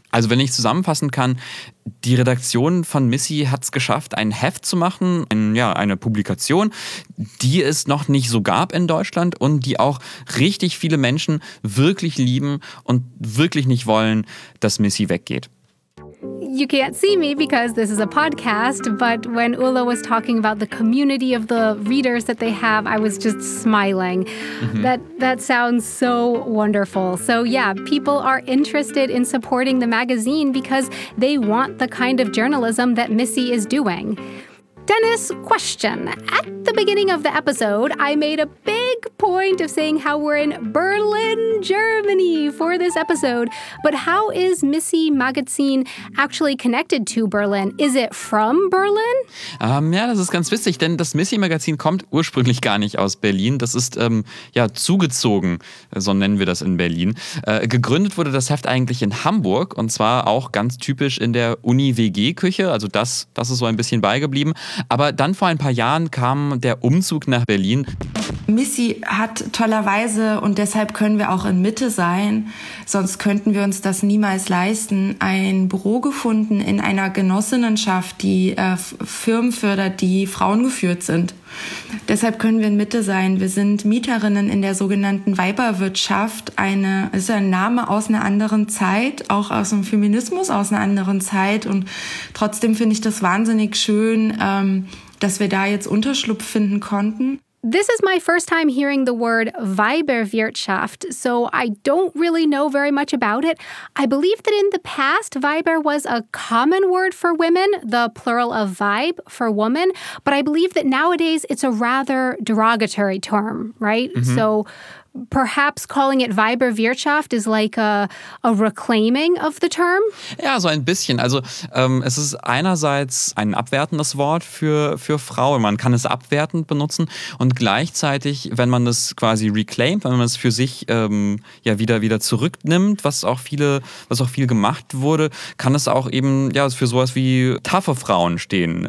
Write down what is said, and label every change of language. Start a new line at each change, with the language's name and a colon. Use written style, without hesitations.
German: Also wenn ich zusammenfassen kann, die Redaktion von Missy hat es geschafft, ein Heft zu machen, eine Publikation, die es noch nicht so gab in Deutschland und die auch richtig viele Menschen wirklich lieben und wirklich nicht wollen, dass Missy weggeht.
English: You can't see me because this is a podcast, but when Ulla was talking about the community of the readers that they have, I was just smiling. Mm-hmm. That sounds so wonderful. So yeah, people are interested in supporting the magazine because they want the kind of journalism that Missy is doing. Dennis, question. At the beginning of the episode, I made a big point of saying how we're in Berlin, Germany for this episode. But how is Missy Magazine actually connected to Berlin? Is it from Berlin?
German: Das ist ganz witzig, denn das Missy Magazine kommt ursprünglich gar nicht aus Berlin. Das ist zugezogen, so nennen wir das in Berlin. Gegründet wurde das Heft eigentlich in Hamburg und zwar auch ganz typisch in der Uni-WG-Küche. Also das ist so ein bisschen beigeblieben. Aber dann vor ein paar Jahren kam der Umzug nach Berlin. Missy hat tollerweise, und deshalb können wir auch in Mitte sein, sonst könnten wir uns das niemals leisten, ein Büro gefunden in einer Genossinnenschaft, die Firmen fördert, die frauengeführt sind. Deshalb können wir in Mitte sein. Wir sind Mieterinnen in der sogenannten Weiberwirtschaft. Das ist ein Name aus einer anderen Zeit, auch aus dem Feminismus aus einer anderen Zeit. Und trotzdem finde ich das wahnsinnig schön, dass wir da jetzt Unterschlupf finden konnten.
English: This is my first time hearing the word Weiberwirtschaft, so I don't really know very much about it. I believe that in the past, Weiber was a common word for women, the plural of Weib for woman, but I believe that nowadays it's a rather derogatory term, right? Mm-hmm. So perhaps calling it Weiberwirtschaft is like a reclaiming of the term?
German: Ja, so ein bisschen. Also es ist einerseits ein abwertendes Wort für Frau. Man kann es abwertend benutzen und gleichzeitig, wenn man es quasi reclaimt, wenn man es für sich wieder zurücknimmt, was auch viel gemacht wurde, kann es auch eben ja für sowas wie taffe Frauen stehen.